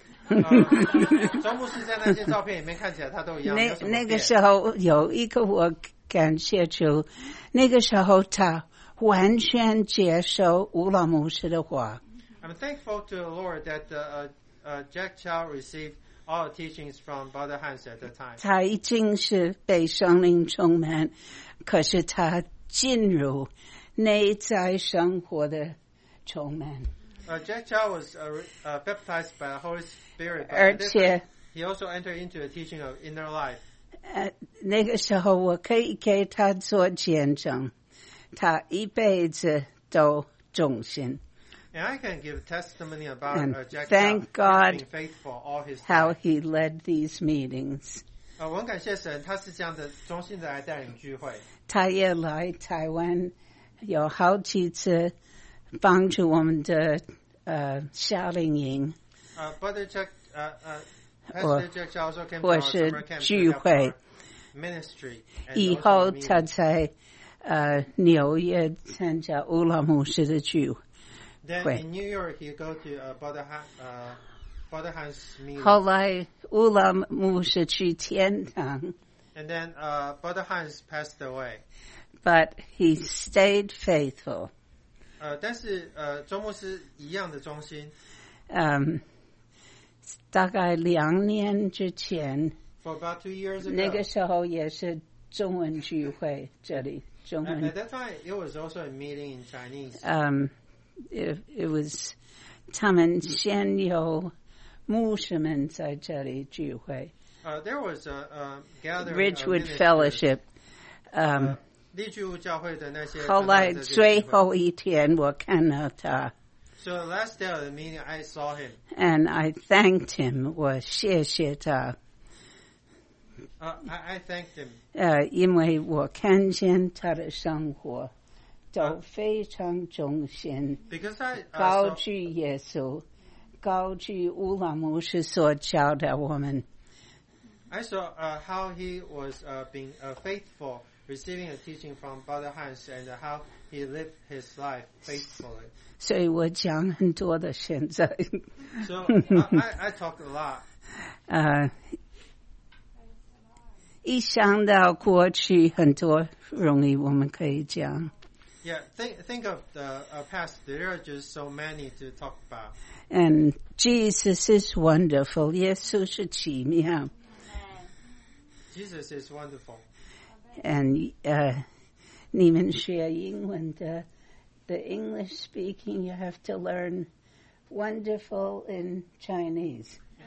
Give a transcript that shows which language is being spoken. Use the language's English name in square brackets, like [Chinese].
[Chinese] 周牧师在那些照片里面看起来他都一样那个时候有一个我感谢主 那个时候他完全接受吴老牧师的话。 [English] I'm thankful to the Lord that Jack Chow received all the teachings from Brother Hans at the time. [Chinese] 他已经是被圣灵充满，可是他进入内在生活的充满。 [English] Jack Chow was baptized by the Holy Spirit, but [Chinese] 而且 [English] he also entered into the teaching of inner life. [Chinese] 那个时候我可以给他做见证，他一辈子都忠心。 [English] And I can give testimony about Jack Chow. Thank God, being faithful all his time. How he led these meetings. [Chinese] 我很感谢神，他是这样的忠心的来带领聚会。他也来台湾有好几次，帮助我们的夏令营。 [English] Brother Jack, Pastor Jack Chow also came to our summer camp. [Chinese] 聚会 [English] ministry. [Chinese] 以后他在纽约参加乌拉牧师的聚会。 [English] Then in New York, he go to Brother Hans' meeting. [Chinese] 后来乌拉牧师去天堂。 [English] And then Brother Hans passed away. But he stayed faithful. [Chinese] 但是周牧师一样的忠心。大概两年之前。 [English] For about 2 years ago. [Chinese] 那个时候也是中文聚会这里中文。 [English] At that time, it was also a meeting in Chinese. It was [Chinese] 他们先有牧师们在这里聚会。 [English] There was a gathering. Ridgewood Fellowship. [Chinese] 利聚物教会的那些。后来最后一天我看到他。 [English] So the last day of the meeting, I saw him. And I thanked him. [Chinese] 我谢谢他。 [English] I thanked him. [Chinese] 因为我看见他的生活。都非常忠心 高举耶稣 高举乌拉牧师所教的我们 [English] I saw how he was being faithful receiving a teaching from Brother Hans and how he lived his life faithfully [Chinese] 所以我讲很多的现在 [English] So I talk a lot [Chinese] 一想到过去很多容易我们可以讲 [English] Yeah, think of the past. There are just so many to talk about. And Jesus is wonderful. [Chinese] 耶稣是奇妙。 [English] Jesus is wonderful. And [Chinese] 你们学英文的 [English] the English speaking, you have to learn wonderful in Chinese.